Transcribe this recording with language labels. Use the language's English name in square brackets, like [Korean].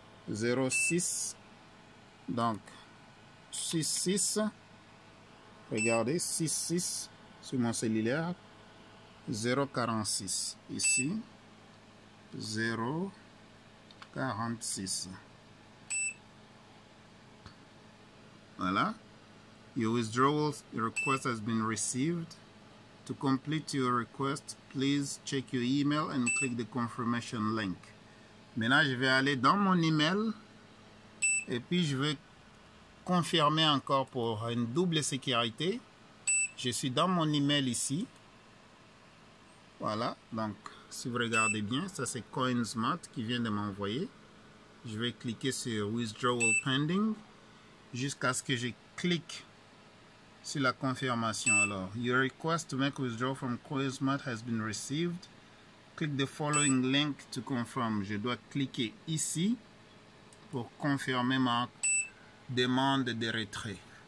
[French] 06. Donc, 66, regardez, 66 sur mon cellulaire, 046 ici, 046. Voilà. [English] Your withdrawal request has been received. To complete your request, please check your email and click the confirmation link. [French] Maintenant, je vais aller dans mon email et puis je vais confirmer encore pour une double sécurité. Je suis dans mon email ici. Voilà, donc si vous regardez bien, ça c'est CoinSmart qui vient de m'envoyer. Je vais cliquer sur Withdrawal Pending jusqu'à ce que je clique sur la confirmation. Alors, [English] your request to make withdrawal from CoinSmart has been received. Click the following link to confirm. [French] Je dois cliquer ici pour confirmer ma demande de retrait.